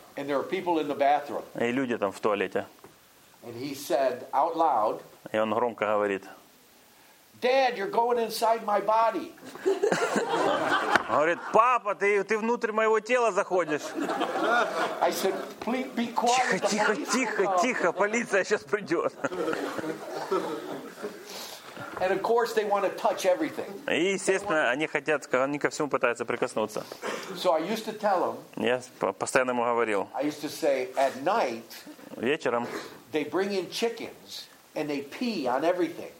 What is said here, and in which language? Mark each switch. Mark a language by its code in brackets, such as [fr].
[en] And there are people in the bathroom. [ru] И люди там в туалете. [en] And he said out loud. [ru] И он громко говорит. [en] Dad, you're going inside my body. [ru] Он говорит, папа, ты внутрь моего тела заходишь. [en] I said, please be quiet. [ru] Тихо, тихо, тихо, тихо, полиция сейчас придет. [en] And of course they want to touch everything. [ru] И, естественно, они ко всему пытаются прикоснуться. [en] So I used to tell them. [ru] Я постоянно ему говорил. [en] I used to say at night. [ru] Вечером. [en] They bring in chickens and they pee on everything.